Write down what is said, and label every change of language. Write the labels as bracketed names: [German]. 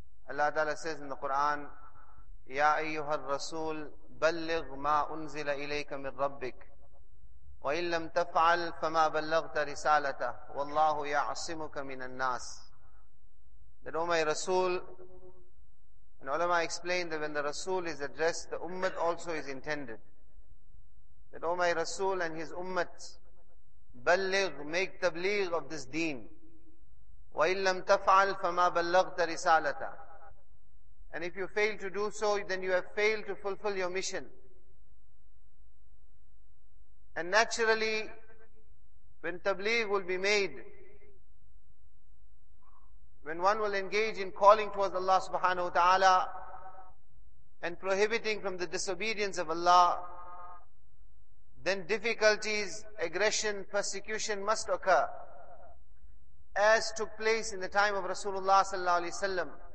[English] Allah ta'ala says in the Quran, [Arabic] يا أيها الرسول بلغ ما أنزل إليك من ربك وإن لم تفعل فما بلغت رسالته والله يعصمك من الناس. [English] That, O my Rasul, and ulama explained that when the Rasul is addressed, the Ummat also is intended. That, O my Rasul and his Ummat, بلغ, make tabligh of this deen. [Arabic] وإن لم تفعل فما بلغت رسالته. [English] And if you fail to do so, then you have failed to fulfill your mission. And naturally, when tabligh will be made, when one will engage in calling towards Allah subhanahu wa ta'ala and prohibiting from the disobedience of Allah, then difficulties, aggression, persecution must occur, as took place in the time of Rasulullah sallallahu alaihi wasallam,